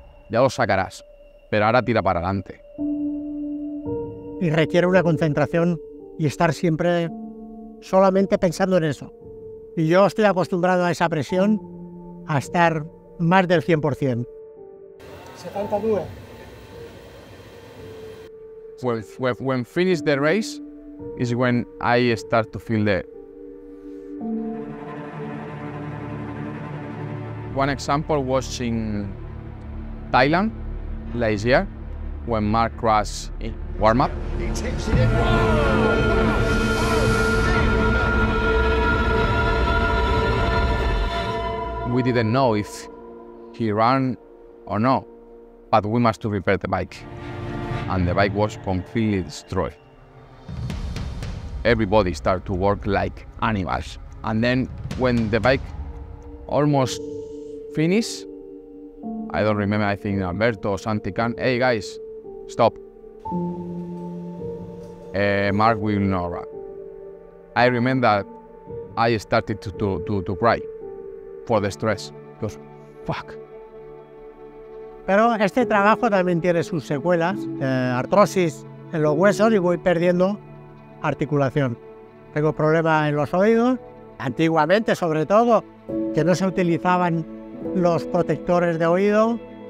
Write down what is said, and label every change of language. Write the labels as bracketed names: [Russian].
[Spanish] Ya los sacarás, pero ahora tira para adelante. Y requiere una concentración y estar siempre solamente pensando en eso. Y yo estoy acostumbrado a esa presión, a estar más del 100%. 72. [English] When finish the race, is when I start to feel the... One example was in Thailand, last year, when Mark crashed in warm-up. We didn't know if he ran or not, but we must to repair the bike. And the bike was completely destroyed. Everybody start to work like animals. And then when the bike almost finished, I don't remember, I think Alberto or Santi can, hey guys, stop. Mark will not run. I remember I started to cry for the stress. Because fuck. [Spanish] Pero este trabajo también tiene sus secuelas, artrosis en los huesos y voy perdiendo articulación. Tengo problemas en los oídos, antiguamente sobre todo, que no se utilizaban los protectores de oído.